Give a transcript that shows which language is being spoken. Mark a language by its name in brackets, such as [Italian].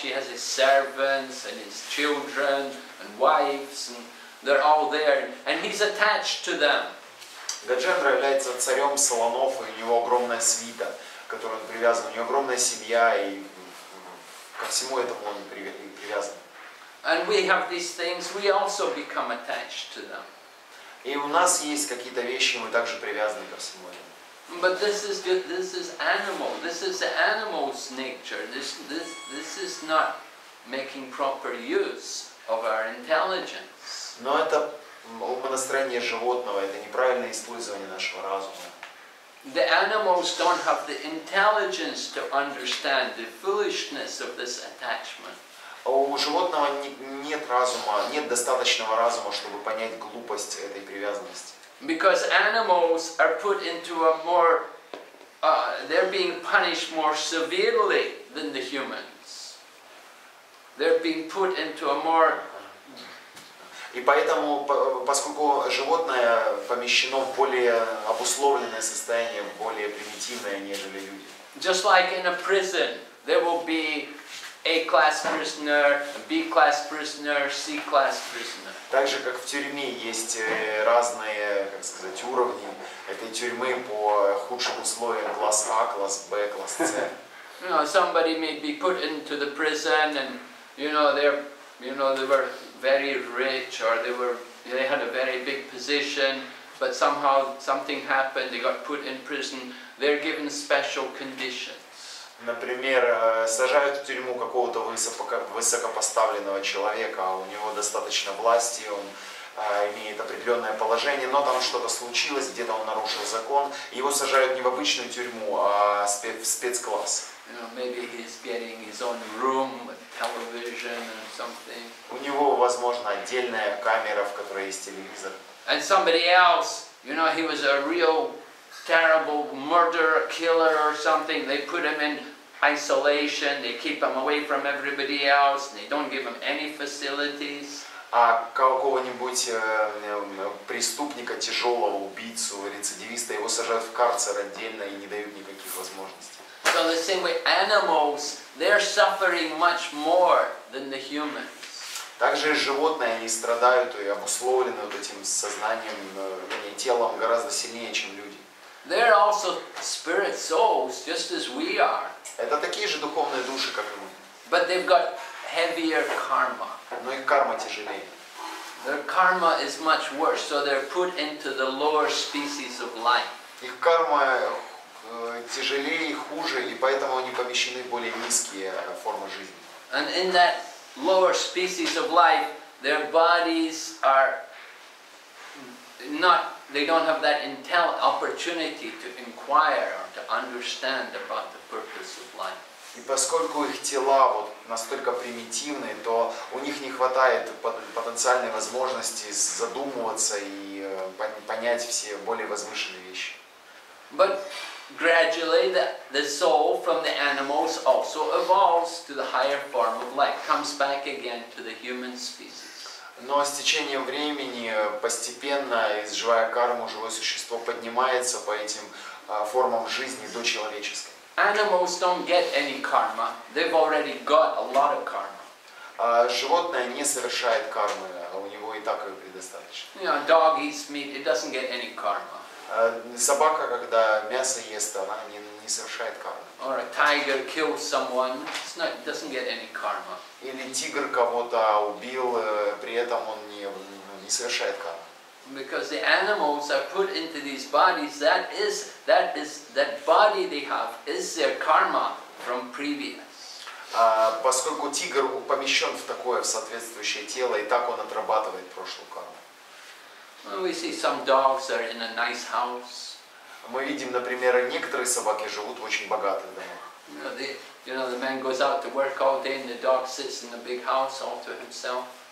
[English] He has his servants and his children and wives, and they're all there, and he's attached to them. [Russian] Gajendra является царем слонов, и у него огромная свита, которой он привязан. У него огромная семья, и ко всему этому он привязан. [English] And we have these things, we also become attached to them. [Russian] И у нас есть какие-то вещи, мы также привязаны ко всему этому. [English] But this is animal. This is the animal's nature. This is not making proper use of our intelligence. [Russian] Но это умонастроение животного. Это неправильное использование нашего разума. [English] The animals don't have the intelligence to understand the foolishness of this attachment. [Russian] У животного нет разума, нет достаточного разума, чтобы понять глупость этой привязанности. [English] Because animals are put into a more, they're being punished more severely than the humans. They're being put into a more. [Russian] И поэтому, поскольку животное помещено в более обусловленное состояние, более примитивное, нежели люди. [English] Just like in a prison, there will be A-class prisoner, B-class prisoner, C-class prisoner. [Russian] Так же, как в тюрьме есть разные, как сказать, уровни этой тюрьмы по худшим условиям: класс А, класс Б, класс С. [English] You know, somebody may be put into the prison, and you know they were very rich, or they had a very big position, but somehow something happened, they got put in prison. They're given special conditions. [Russian] Например, сажают в тюрьму какого-то высокопоставленного человека, у него достаточно власти, он имеет определенное положение, но там что-то случилось, где-то он нарушил закон, его сажают не в обычную тюрьму, а в спецкласс. [English] You know, maybe he's getting his own room with television or something. [Russian] У него, возможно, отдельная камера, в которой есть телевизор. [English] And somebody else, you know, he was a real terrible murderer, killer or something. They put him in isolation. They keep him away from everybody else. They don't give him any facilities. [Russian] А какого-нибудь преступника, тяжелого убийцу, рецидивиста, его сажают в карцер отдельно и не дают никаких возможностей. [English] So the same way, animals, they're suffering much more than the humans. [Russian] Также и животные, они страдают и обусловлены вот этим сознанием, телом гораздо сильнее, чем люди. [English] They're also spirit souls, just as we are. [Russian] Это такие же духовные души, как и мы. [English] But they've got heavier karma. [Russian] Но их карма тяжелее. [English] Their karma is much worse, so they're put into the lower species of life. [Russian] Их карма тяжелее и хуже, и поэтому они помещены в более низкие формы жизни. [English] And in that lower species of life, their bodies are not. They don't have that opportunity to inquire or to understand about the purpose of life. [Russian] И поскольку их тела вот настолько примитивны, то у них не хватает потенциальной возможности задумываться и понять все более возвышенные вещи. [English] But gradually the soul from the animals also evolves to the higher form of life, comes back again to the human species. [Russian] Но с течением времени постепенно, изживая карму, живое существо поднимается по этим формам жизни до человеческой. [English] Animals don't get any karma. They've already got a lot of karma. [Russian] Животное не совершает кармы, у него и так ее предостаточно. [English] You know, dog eats meat, it doesn't get any karma. [Russian] Собака, когда мясо ест, она не совершает кармы. [English] Or a tiger kills someone, doesn't get any karma. [Russian] Или тигр кого-то убил, при этом он не совершает карму. [English] Because the animals are put into these bodies, that body they have is their karma from previous. [Russian] Поскольку тигр помещен в такое в соответствующее тело, и так он отрабатывает прошлую карму. [English] Well, we see some dogs are in a nice house. [Russian] Мы видим, например, некоторые собаки живут в очень богатых домах. [English] You know, the man goes out to work all day, and the dog sits in a big house all to himself.